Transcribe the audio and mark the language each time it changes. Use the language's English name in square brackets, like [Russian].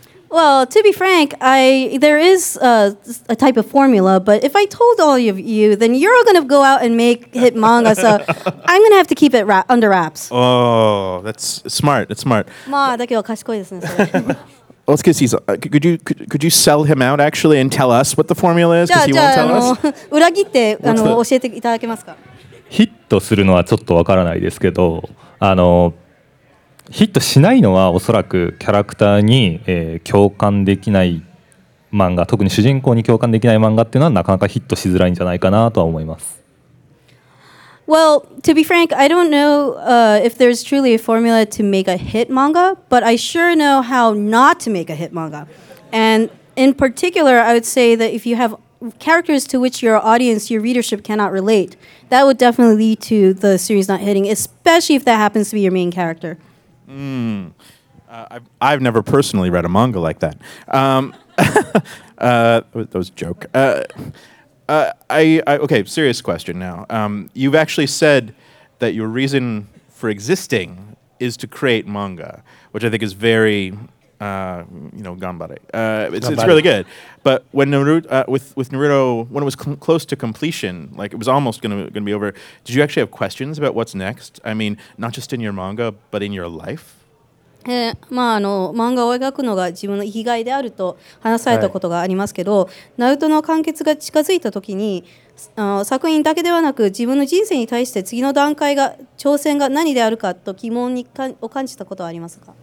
[English] Well, to be frank, there is a type of formula, but if I told all of you, then you're all going to go out and make hit manga, so I'm going to have to keep it under wraps. Oh, that's smart. [Japanese] まあ、だけど賢いですね。 [English] Otsuki, could you sell him out, actually, and tell us what the formula is? [Japanese] じゃあ、裏切って教えていただけますか？ヒットするのはちょっとわからないですけど、ヒットしないのはおそらくキャラクターに、共感できない漫画、特に主人公に共感できない漫画っていうのはなかなかヒットしづらいんじゃないかなとは思います。 [English] Well, to be frank, I don't know if there's truly a formula to make a hit manga, but I sure know how not to make a hit manga. And in particular, I would say that if you have characters to which your audience, your readership cannot relate, that would definitely lead to the series not hitting, especially if that happens to be your main character. I've never personally read a manga like that. that was a joke. Okay, serious question now. You've actually said that your reason for existing is to create manga, which I think is very, ganbare. It's really good. But when Naruto, when it was close to completion, like it was almost going to be over, did you actually have questions about what's next? I mean, not just in your manga, but in your life? [Japanese] まあ漫画を描くのが自分の生きがいであると話されたことがありますけど、はい、ナルトの完結が近づいた時に作品だけではなく自分の人生に対して次の段階が挑戦が何であるかと疑問にを感じたことはありますか？